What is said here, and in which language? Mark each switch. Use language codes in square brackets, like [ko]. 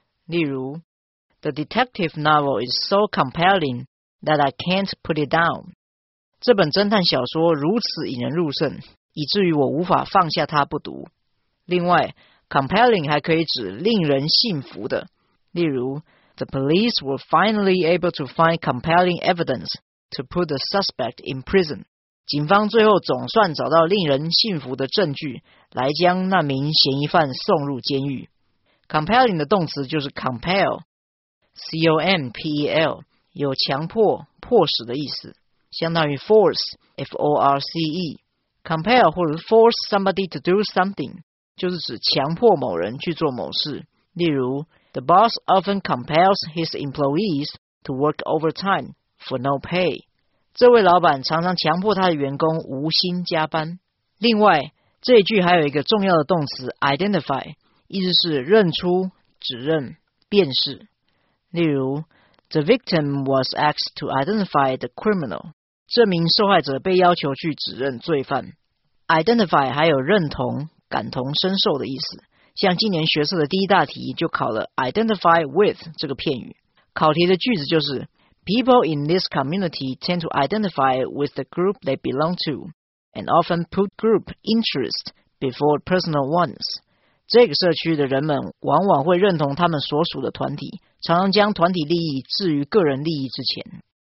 [zh] 例如 [en] The detective novel is so compelling that I can't put it down. [zh] 这本侦探小说如此引人入胜，以至于我无法放下它不读。另外 [en] compelling [zh] 还可以指令人信服的，例如 [en] The police were finally able to find compelling evidence to put the suspect in prison. [zh] 警方最后总算找到令人信服的证据来将那名嫌疑犯送入监狱。 compelling 的动词就是 compel， C-O-M-P-E-L， 有强迫迫使的意思，相当于 force， F-O-R-C-E。 [en] compel 或者 force somebody to do something [zh] 就是指强迫某人去做某事，例如 [en] The boss often compels his employees to work overtime for no pay. [zh] 这位老板常常强迫他的员工无薪加班。另外，这一句还有一个重要的动词 identify， 意思是认出、指认、辨识。例如 [en] The victim was asked to identify the criminal. [zh] 这名受害者被要求去指认罪犯。 identify 还有认同、感同身受的意思，像今年学测的第一大题就考了 identify with 这个片语。考题的句子就是 [en] People in this community tend to identify with the group they belong to and often put group interest before personal ones. [zh] 这个社区的人们往往会认同他们所属的团体，常常将团体利益置于个人利益之前。